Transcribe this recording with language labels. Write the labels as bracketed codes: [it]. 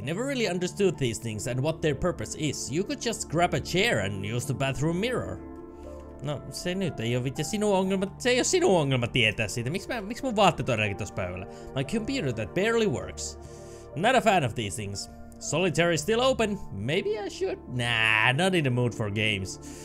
[en] Never really understood these things and what their purpose is. You could just grab a chair and use the bathroom mirror. [fi] No, se nyt ei ole vittu sinun ongelma. Se ei ole sinun ongelma tietää siitä. Miksi mun vaatteet on rääkin tossa päivällä? [en] My computer that barely works. Not a fan of these things. Solitaire is still open. Maybe I should. Nah, not in the mood for games.